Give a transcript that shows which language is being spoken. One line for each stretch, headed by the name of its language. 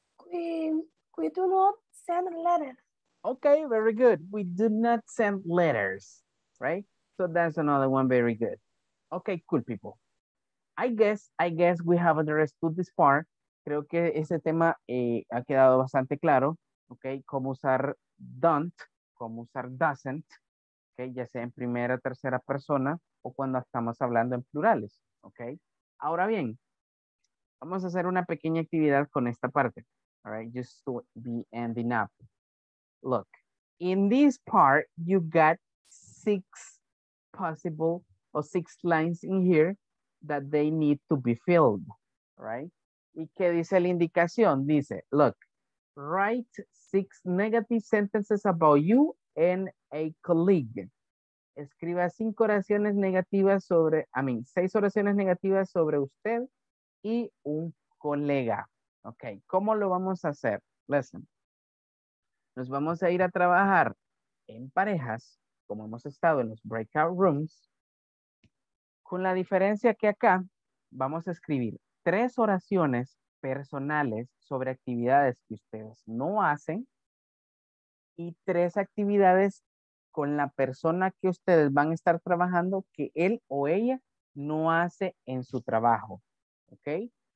English: We do not send letters. Okay, very good. We do not send letters, right? So that's another one, very good. Okay, cool, people. I guess we have understood this part.
Spanish: creo que ese tema ha quedado bastante claro, ¿ok? Cómo usar don't, cómo usar doesn't, ¿ok? Ya sea en primera, tercera persona o cuando estamos hablando en plurales, ¿ok? Ahora bien, vamos a hacer una pequeña actividad con esta parte,
English: all right? Just to be ending up. Look, in this part, you got six possible or six lines in here that they need to be filled, right?
Spanish: ¿Y qué dice la indicación? Dice,
English: look, write six negative sentences about you and a colleague.
Spanish: Escriba cinco oraciones negativas sobre, seis oraciones negativas sobre usted y un colega. Ok, ¿cómo lo vamos a hacer?
English: Listen.
Spanish: Nos vamos a ir a trabajar en parejas, como hemos estado en los breakout rooms, con la diferencia que acá vamos a escribir tres oraciones personales sobre actividades que ustedes no hacen y tres actividades con la persona que ustedes van a estar trabajando que él o ella no hace en su trabajo. ¿Ok?